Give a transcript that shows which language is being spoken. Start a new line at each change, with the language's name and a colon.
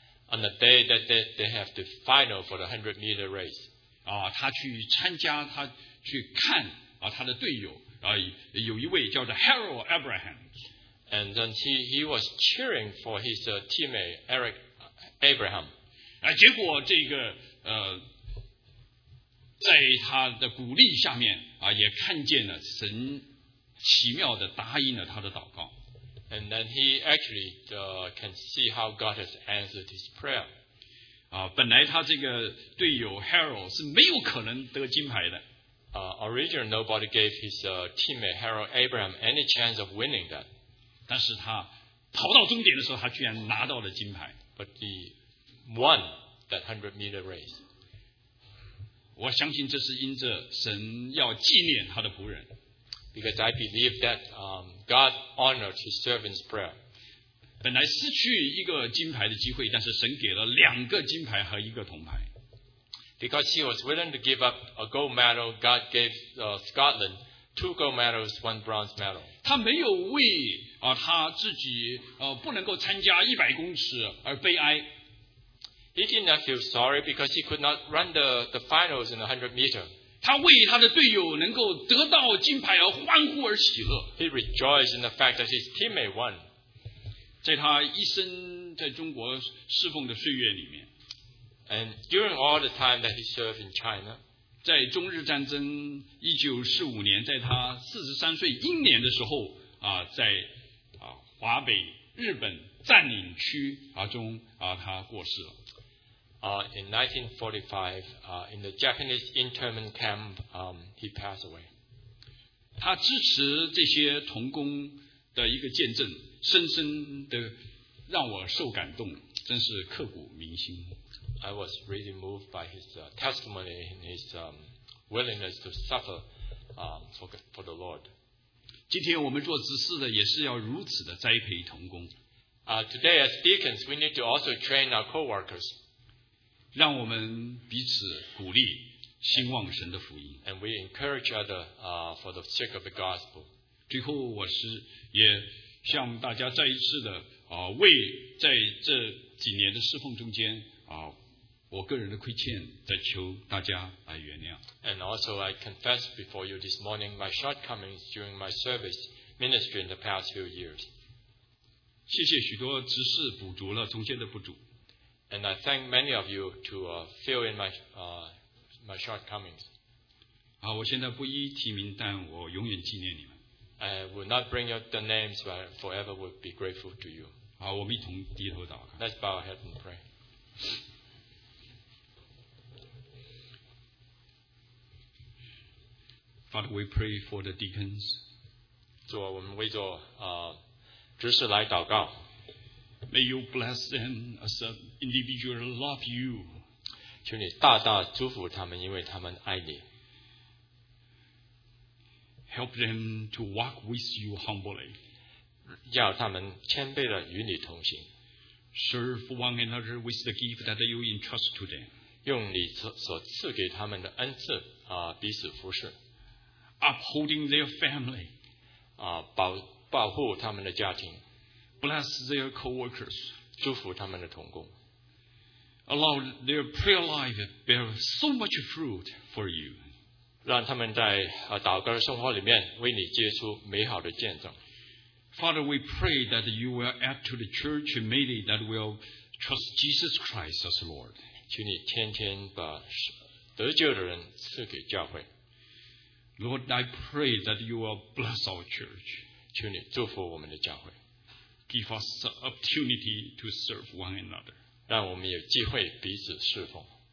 English: On the day that they have the final for the 100 meter race.
Chinese: 啊，他去参加，他去看啊，他的队友啊，有一位叫做 Harold Abraham。
English: And then he was cheering for his teammate Eric Abraham.
Chinese: 啊，结果这个在他的鼓励下面啊，也看见了神奇妙的答应了他的祷告。
English: And then he actually can see how God has answered his prayer.
Chinese: 啊，本来他这个队友 Harold 是没有可能得金牌的。
English: Originally nobody gave his teammate Harold Abraham any chance of winning that.
Chinese: 但是他跑到终点的时候，他居然拿到了金牌。
English: But he won that 100 meter race.
Chinese: 我相信这是因着神要纪念他的仆人。
English: Because I believe that God honored his servant's prayer.
Chinese: 本来失去一个金牌的机会，但是神给了两个金牌和一个铜牌。
English: Because he was willing to give up a gold medal, God gave Scotland two gold medals, one bronze medal.
Chinese: 他没有为他自己不能够参加100公尺而悲哀。
English: He did not feel sorry because he could not run the finals in 100 meters.
Chinese: 他为他的队友能够得到金牌而欢呼而喜乐。
English: He rejoiced in the fact that his teammate won.
Chinese: 在他一生在中国侍奉的岁月里面。
English: And during all the time that he served in China.
Chinese: 在中日战争1945年在他43岁英年的时候在华北日本占领区中他过世了。
English: In 1945, in the Japanese internment camp, he passed away.
Chinese: 他支持这些同工的一个见证，深深的让我受感动，真是刻骨铭心。
English: I was really moved by his testimony and his willingness to suffer for the Lord.
Chinese: 今天我们做执事的也是要如此的栽培同工。
English: Today as deacons, we need to also train our co-workers.
Chinese: 让我们彼此鼓励，兴旺神的福音。
English: And we encourage other for the sake of the gospel.
Chinese: 最后，我是也向大家再一次的为在这几年的侍奉中间我个人的亏欠，再求大家来原谅。
English: And also, I confess before you this morning my shortcomings during my service ministry in the past few years.
Chinese: 谢谢许多执事补足了中间的不足。
English: And I thank many of you to fill in my shortcomings.
Chinese: 我现在不一提名，但我永远纪念你们。
English: I will not bring out the names, but forever will be grateful to you.
Chinese: 我们一同低头祷告。
English: Let's bow our heads and pray. Father, we pray for the deacons.
Chinese: 主啊，我们为着执事来祷告。
English: May you bless them as an individual love you.
Chinese: 求你大大祝福他们，因为他们爱你。
English: Help them to walk with you humbly.
Chinese: 要他们谦卑的与你同行。
English: Serve one another with the gift that you entrust to them.
Chinese: 用你所赐给他们的恩赐彼此服侍。
English: Upholding their family.
Chinese: 保护他们的家庭。
English: Bless their co-workers.
Chinese: 祝福他们的同工。
English: Allow their prayer life bear so much fruit for you.
Chinese: 让他们在祷告的生活里面为你结出美好的见证。
English: Father, we pray that you will add to the church many that will trust Jesus Christ as Lord.
Chinese: 求你天天把得救的人赐给教会。
English: Lord, I pray that you will bless our church.
Chinese: 求你祝福我们的教会。
English: Give us the opportunity to serve one another.
Chinese: 让我们有机会彼此侍奉。